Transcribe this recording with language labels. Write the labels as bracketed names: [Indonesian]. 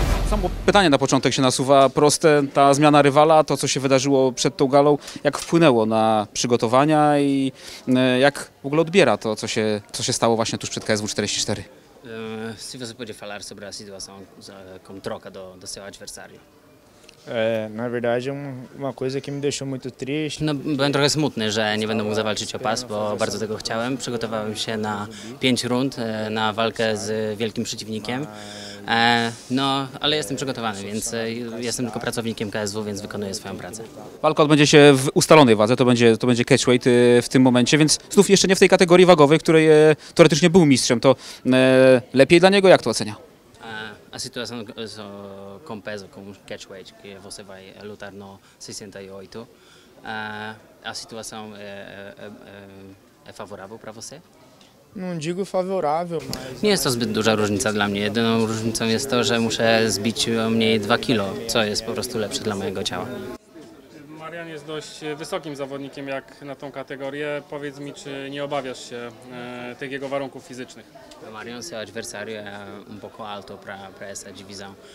[Polish] samo pytanie na początek się nasuwa. Proste, ta zmiana rywala, to co się wydarzyło przed tą galą, jak wpłynęło na przygotowania i jak w ogóle odbiera to, co się stało właśnie tuż przed KSW 44? [Portuguese] Si você pode falar sobre a situação com troca do seu adversário? Na verdade, uma coisa que me deixou muito triste. [Polish] No, byłem trochę smutny, że nie będę mógł zawalczyć o pas, bo bardzo tego chciałem. Przygotowałem się na 5 rund, na walkę z wielkim przeciwnikiem. No, ale jestem przygotowany, więc jestem tylko pracownikiem KSW, więc wykonuję swoją pracę. Walka odbędzie się w ustalonej wadze, to będzie catchweight w tym momencie, więc znów jeszcze nie w tej kategorii wagowej, której teoretycznie był mistrzem. To lepiej dla niego, jak to ocenia? [Portuguese] A situação com peso, com catchweight, que você vai lutar no 68, a situação é favorável para você? Não digo favorável, mas... [Polish] Nie jest to zbyt duża różnica dla mnie. Jedyną różnicą jest to, że muszę zbić o mniej 2 kilo, co jest po prostu lepsze dla mojego ciała. Marian jest dość wysokim zawodnikiem jak na tą kategorię. Powiedz mi, czy nie obawiasz się tych jego warunków fizycznych? [Portuguese] Marian, seu adversário é pouco alto para essa divisão.